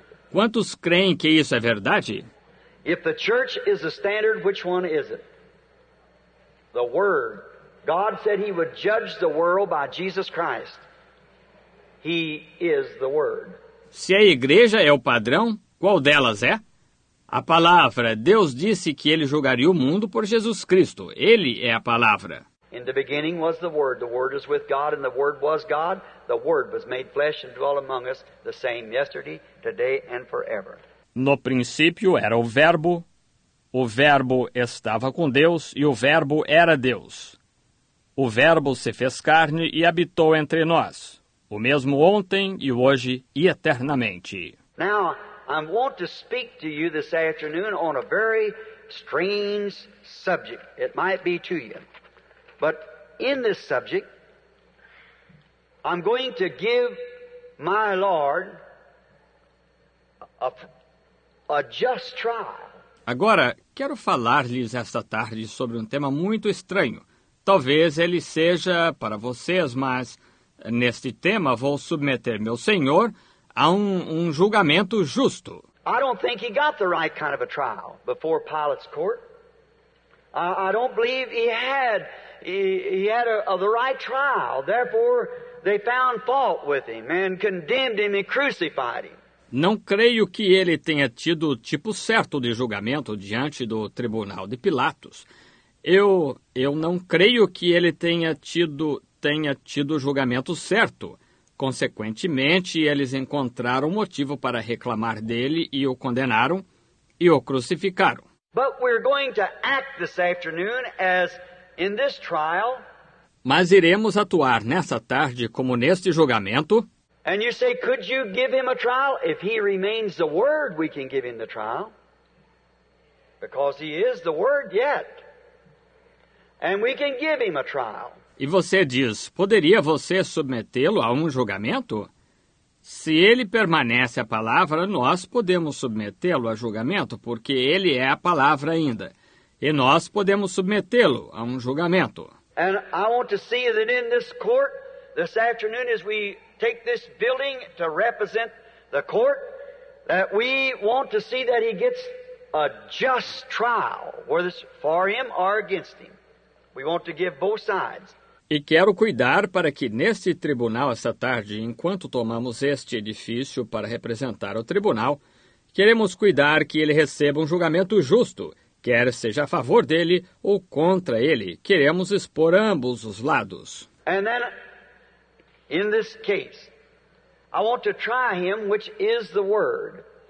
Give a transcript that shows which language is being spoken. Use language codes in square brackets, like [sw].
[pt] Quantos creem que isso é verdade? [en] If the church is the standard, which one is it? The word. God said he would judge the world by Jesus Christ. He is the word. [pt] Se a igreja é o padrão, qual delas é? A palavra. Deus disse que ele julgaria o mundo por Jesus Cristo. Ele é a palavra. [en] In the beginning was the Word. The Word was with God, and the Word was God. The Word was made flesh and dwelt among us, the same yesterday, today and forever. [pt] No princípio era o Verbo estava com Deus, e o Verbo era Deus. O Verbo se fez carne e habitou entre nós, o mesmo ontem e hoje e eternamente. [en] Now, I want to speak to you this afternoon on a very strange subject. It might be to you. But in this subject, I'm going to give my Lord a just trial. [pt] Agora, quero falar-lhes esta tarde sobre um tema muito estranho. Talvez ele seja para vocês, mas neste tema vou submeter meu Senhor há um julgamento justo. [en] I don't think he got the right kind of a trial before Pilate's court. I don't believe he had the right trial. Therefore, they found fault with him and condemned him and crucified him. [pt] Não creio que ele tenha tido o tipo certo de julgamento diante do tribunal de Pilatos. Eu não creio que ele tenha tido o julgamento certo. Consequentemente, eles encontraram motivo para reclamar dele e o condenaram e o crucificaram. [en] But we're going to act this afternoon as in this trial. [pt] Mas iremos atuar nessa tarde como neste julgamento. [en] And you say, could you give him a trial? If he remains the word, we can give him the trial. Because he is the word yet. And we can give him a trial. [pt] E você diz, poderia você submetê-lo a um julgamento? Se ele permanece a palavra, nós podemos submetê-lo a julgamento, porque ele é a palavra ainda. E nós podemos submetê-lo a um julgamento. [en] And I want to see that in this court, this afternoon, as we take this building to represent the court, that we want to see that he gets a just trial, whether it's for him or against him. We want to give both sides. [pt] E quero cuidar para que neste tribunal, esta tarde, enquanto tomamos este edifício para representar o tribunal, queremos cuidar que ele receba um julgamento justo, quer seja a favor dele ou contra ele. Queremos expor ambos os lados. [en] And then, in this case, I want to try him, which is the word.